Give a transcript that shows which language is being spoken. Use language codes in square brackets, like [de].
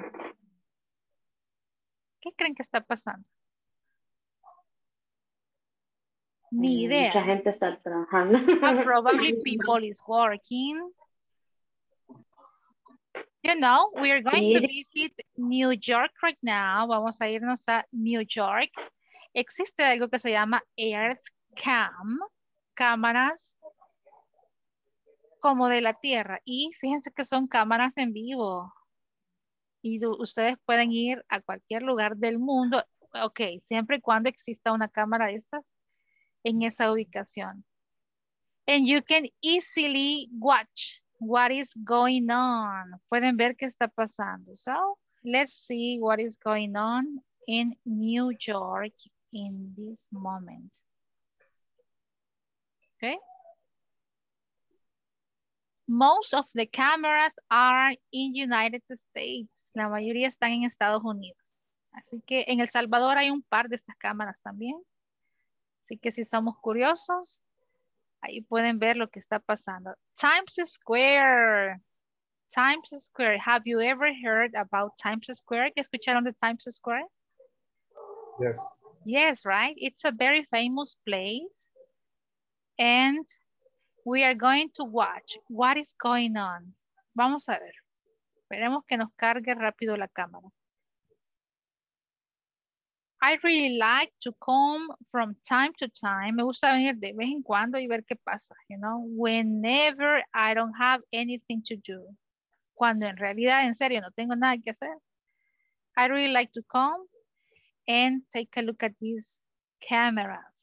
[es] ¿Qué creen que está pasando? Ni idea. Mucha gente está trabajando. [en] Probably people is working. You know, we are going to visit New York right now. [es] Vamos a irnos a New York. Existe algo que se llama EarthCam, cámaras como de la Tierra. Y fíjense que son cámaras en vivo. Y ustedes pueden ir a cualquier lugar del mundo. Ok, siempre y cuando exista una cámara de estas en esa ubicación. [en] And you can easily watch what is going on. [es] Pueden ver qué está pasando. [en] So, let's see what is going on in New York in this moment. Okay? Most of the cameras are in the United States. [es] La mayoría están en Estados Unidos. Así que en El Salvador hay un par de estas cámaras también. Así que si somos curiosos, ahí pueden ver lo que está pasando. [en] Times Square. Times Square. Have you ever heard about Times Square? [es] ¿Qué escucharon de Times Square? [en] Yes. Yes, right? It's a very famous place. And we are going to watch what is going on. [es] Vamos a ver. Esperemos que nos cargue rápido la cámara. [en] I really like to come from time to time. [es] Me gusta venir de vez en cuando y ver qué pasa, you know. [en] Whenever I don't have anything to do. [es] Cuando en realidad, en serio, no tengo nada que hacer. [en] I really like to come and take a look at these cameras.